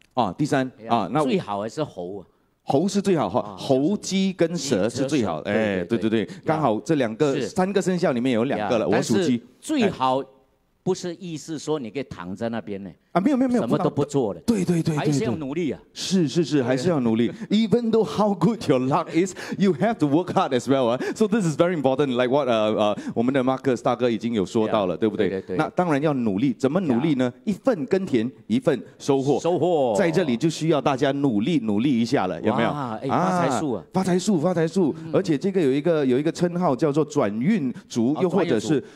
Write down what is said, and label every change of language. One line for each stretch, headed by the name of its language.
Chinese: 啊，第三啊，那最好还是猴。猴是最好，猴鸡跟蛇是最好。哎，对对对，刚好这两个三个生肖里面有两个了，我属鸡。最好不是意思说你可以躺在那边呢。啊，没有没有没有，什么都不做了。对对对对，还是要努力啊。是是是，还是要努力。
English: Even though how good your luck is, you have to work hard as well. So this is very important. Like what
Chinese: 我们的
English: Marcus
Chinese: 大哥已经有说到了，
English: yeah,
Chinese: 对不对？对对对。那当然要努力，怎么努力呢？
English: Yeah.
Chinese: 一份耕田，一份收获。收获。在这里就需要大家努力努力一下了，有没有？哇，哎，发财树啊！发财树，发财树。嗯、而且这个有一个称号叫做转运族，又或者是。